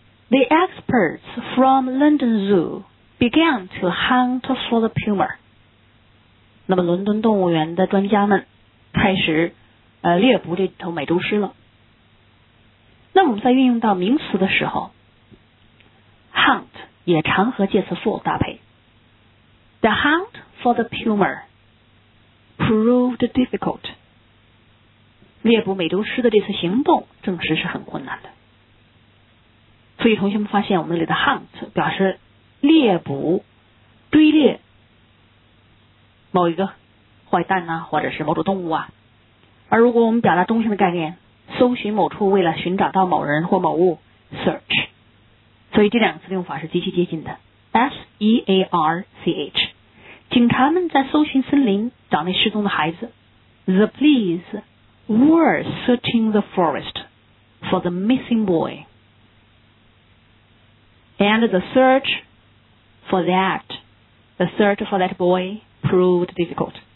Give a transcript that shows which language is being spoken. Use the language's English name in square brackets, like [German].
[English] The experts from London Zoo began to hunt for the puma。 [Chinese] 那么伦敦动物园的专家们开始猎捕这头美洲狮了。那我们在运用到名词的时候，Hunt 也常和介词 for 搭配。 [English] The hunt for the puma proved difficult. [Chinese] 猎捕美洲狮的这次行动证实是很困难的。所以同学们发现，我们这里的 hunt 表示猎捕、追猎某一个坏蛋啊，或者是某种动物啊。而如果我们表达中心的概念，搜寻某处，为了寻找到某人或某物， search。所以这两个词的用法是极其接近的， S-E-A-R-C-H。警察们在搜寻森林找那失踪的孩子， [English] The police were searching the forest for the missing boy, and the search for that boy proved difficult.